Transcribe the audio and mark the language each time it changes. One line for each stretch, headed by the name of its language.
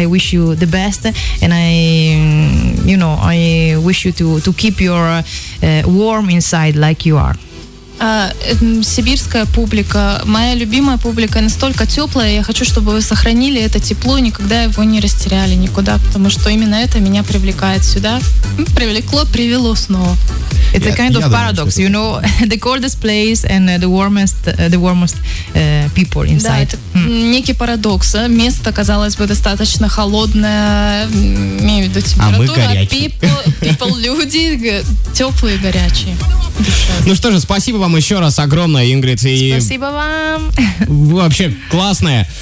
English: I wish you the best, and I, you know, I wish you to keep your warm inside like you are.
Russian: Сибирская публика, моя любимая публика, настолько теплая, я хочу, чтобы вы сохранили это тепло и никогда его не растеряли никуда, потому что именно это меня привлекает сюда. Привлекло, привело снова.
English: It's a kind of paradox, you know, the coldest place and the warmest people inside.
Russian: Да, это некий парадокс. Место, казалось бы, достаточно холодное, имею в виду температура, а people, люди теплые, горячие. Ну что же, спасибо вам еще раз огромное, Ингрид. И спасибо вам. Вы вообще классная.